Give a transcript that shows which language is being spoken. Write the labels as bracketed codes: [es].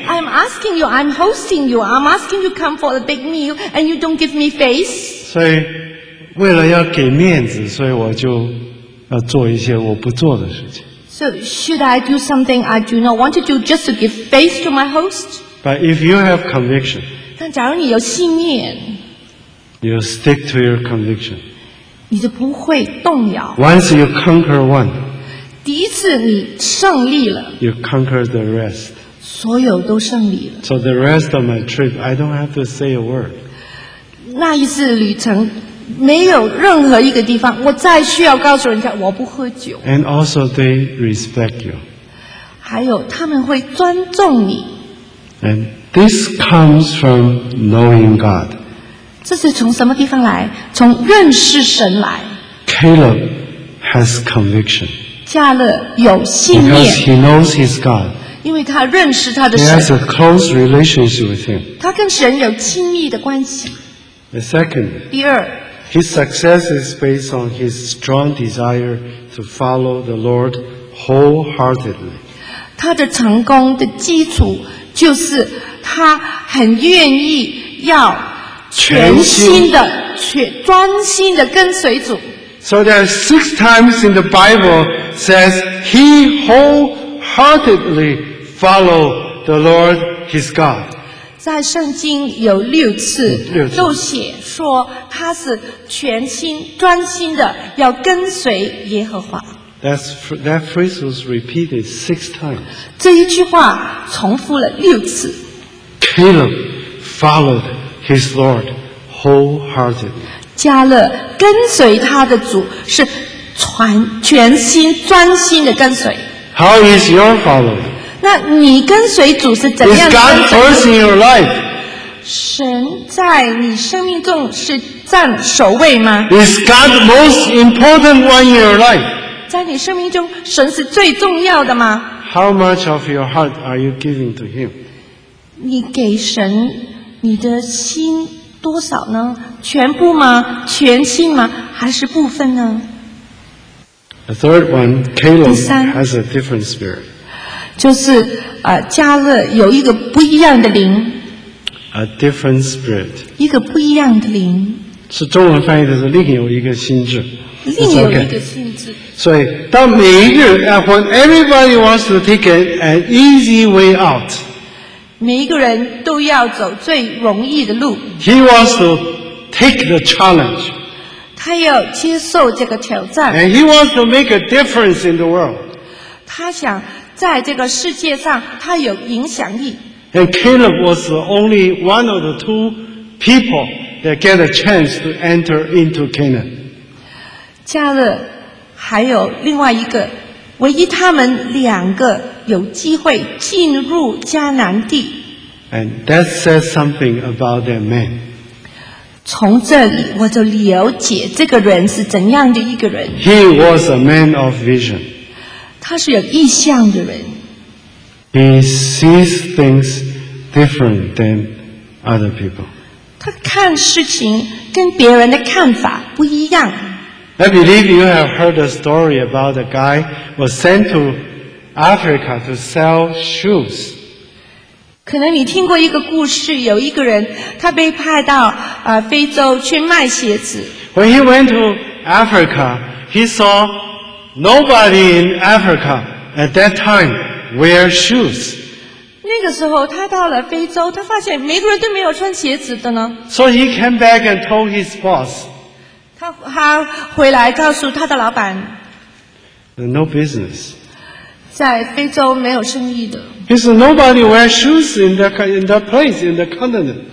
[en] I'm asking you, I'm hosting you, I'm asking you come for a big meal, and you don't give me face. [zh] 所以，为了要给面子，所以我就要做一些我不做的事情。 [en] So should I do something I do not want to do just to give face to my host? But if you have conviction. [zh] 但假如你有信念 [en] ，You stick to your conviction， [zh] 你就不会动摇。 [en] Once you conquer one， [zh] 第一次你胜利了 [en] ，You conquer the rest， [zh] 所有都胜利了。 [en] So the rest of my trip， I don't have to say a word。 [zh] 那一次旅程没有任何一个地方，我再需要告诉人家我不喝酒。 [en] And also they respect you， [zh] 还有他们会尊重你。 [en] And this comes from knowing God. [zh] 这是从什么地方来？从认识神来。 [en] Caleb has conviction. [zh] 加勒有信念。 [en] Because he knows his God. [zh] 因为他认识他的神。 [en] He has a close relationship with him. [zh] 他跟神有亲密的关系。 [en] The second. [zh] 第二。 [en] His success is based on his strong desire to follow the Lord wholeheartedly. [zh] 他的成功的基础就是他很愿意要全心的专心的跟随主。 [en] So there are six times in the Bible says he wholeheartedly followed the Lord his God. [zh] 在圣经有六次都写说他是全心专心的要跟随耶和华。 [en] That phrase was repeated six times. [zh] 这一句话重复了六次。 [en] Caleb followed his Lord wholeheartedly. [zh] 加勒跟随他的主是全心专心的跟随。 [en] How is your following? [zh] 那你跟随主是怎样的跟随？ [en] Is God first in your life? [zh] 神在你生命中是占首位吗？ [en] Is God the most important one in your life? [zh] 在你生命中，神是最重要的吗？ [en] How much of your heart are you giving to him? [zh] 你给神你的心多少呢？全部吗？全心吗？还是部分呢？ [en] The third one, Caleb has a different spirit. [zh] 就是加勒有一个不一样的灵。 [en] A different spirit. [zh] 一个不一样的灵。是中文翻译的是另有一个心智。另有一个性质。所以，当每一个人 [en] ，when everybody wants to take an easy way out， [zh] 每一个人都要走最容易的路。 [en] He wants to take the challenge， [zh] 他要接受这个挑战。 [en] And he wants to make a difference in the world， [zh] 他想在这个世界上他有影响力。 [en] And Caleb was the only one of the two people that get a chance to enter into Canaan。 [zh] 加勒还有另外一个，唯一他们两个有机会进入迦南地。 [en] And that says something about that man. [zh] 从这里我就了解这个人是怎样的一个人。 [en] He was a man of vision. [zh] 他是有意象的人。 [en] He sees things different than other people. [zh] 他看事情跟别人的看法不一样。 [en] I believe you have heard a story about a guy who was sent to Africa to sell shoes. [zh] 可能你听过一个故事，有一个人他被派到非洲去卖鞋子。 [en] When he went to Africa, he saw nobody in Africa at that time wear shoes. [zh] 那个时候他到了非洲，他发现每个人都没有穿鞋子的呢。 [en] So he came back and told his boss. [zh] 他回来告诉他的老板。 [en] No business. [zh] 在非洲没有生意的。 [en] He said nobody wear shoes in that place, in the continent.